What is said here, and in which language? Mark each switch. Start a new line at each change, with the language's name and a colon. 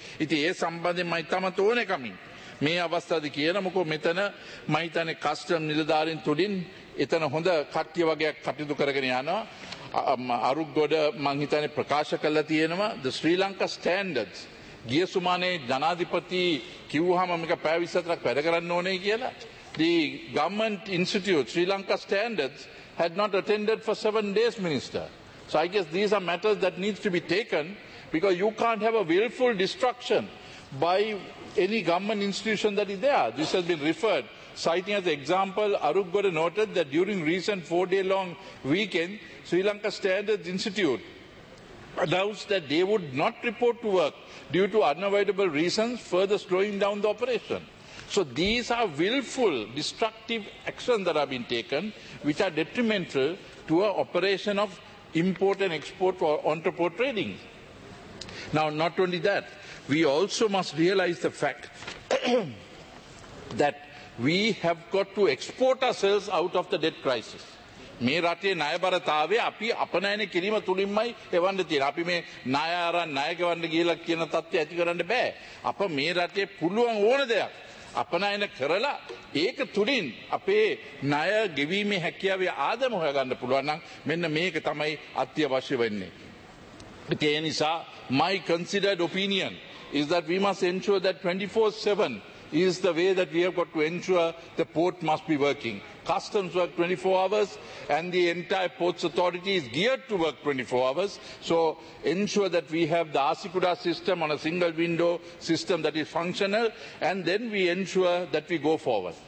Sinhala: ඉතින් ඒ සම්බන්ධයෙන් මම තමත ඕනේ කමින් මේ අවස්ථාවේ කියනමුකෝ මෙතන මම හිතන්නේ කස්ටම් නිලධාරීන් තුඩින් එතන හොඳ කට්ටිය වගේක් කටයුතු කරගෙන යනවා. අරුග්ගොඩ මං හිතන්නේ ප්‍රකාශ කළා තියෙනවා ද ශ්‍රී ලංකා ස්ටෑන්ඩඩ්ස් ගිය සුමානේ ජනාධිපති කිව්වහම මේක පැය 24ක් වැඩ කරන්න ඕනේ කියලා.
English: The government institute, Sri Lanka Standards, had not attended for 7 days, Minister. So I guess these are matters that need to be taken, because you can't have a willful destruction by any government institution that is there. This has been referred, citing as an example, Aruggoda noted that during recent 4-day-long weekend, Sri Lanka Standards Institute announced that they would not report to work due to unavoidable reasons, further slowing down the operation. So these are willful, destructive actions that have been taken, which are detrimental to an operation of import and export or entrepot trading. Now, not only that, we also must realize the fact that we have got to export ourselves out of the debt crisis.
Sinhala: මේ රටේ ණයබරතාවයේ අපි අපනයන කිරීම තුලින්මයි එවන්න තියෙන. අපි මේ ණය අරන් ණය ගවන්න කියලා කියන தත්ත්වය ඇති කරන්න බෑ. අප මේ රටේ පුළුවන් ඕන දෙයක් අපනයන කරලා ඒක තුලින් අපේ ණය ගෙවීමේ හැකියාවේ ආදම හොයා ගන්න පුළුවන් නම් මෙන්න මේක තමයි අත්‍යවශ්‍ය වෙන්නේ.
English: But
Sinhala: ඒ නිසා
English: my considered opinion is that we must ensure that 24/7 is the way that we have got to ensure the port must be working. Customs work 24 hours and the entire ports authority is geared to work 24 hours. So ensure that we have the Asikuda system on a single window system that is functional, and then we ensure that we go forward.